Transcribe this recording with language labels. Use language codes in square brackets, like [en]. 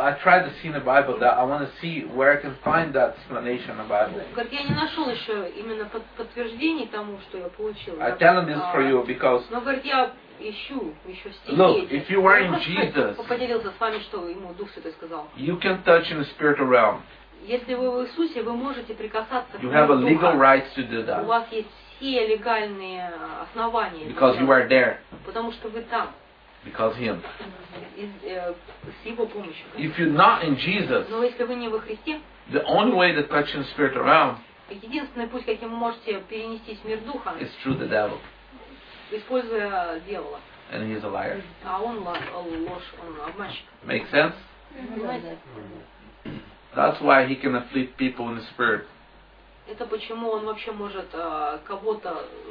[en] I tried to see in the Bible that I want to see where I can find that explanation in the Bible. [ru] Говорит, я не нашел еще именно подтверждений тому, что я получил. [en] I'm telling this for you because. [ru] Но говорит, я ищу еще стихи. [en] Look, if you were in Jesus. [ru] Поделился с вами, что ему Дух Святой сказал. [en] You can touch in the spiritual realm. [ru] Если вы в Иисусе, вы можете прикасаться. [en] You have a legal right to do that. [ru] У вас есть все легальные основания. [en] Because you are there. [ru] Потому что вы там. [en] Because him. [ru] С его помощью. [en] If you're not in Jesus, [ru] но если вы не во Христе, [en] the only way to touch the spirit realm, [ru] единственный путь, каким вы можете перенестись в мир духа, [en] is through the devil. [ru] Используя дьявола. [en] And he's a liar. [ru] А он ложь, он обманщик. [en] Make sense? That's why he can afflict people in the spirit. [ru] Это почему он вообще может кого-то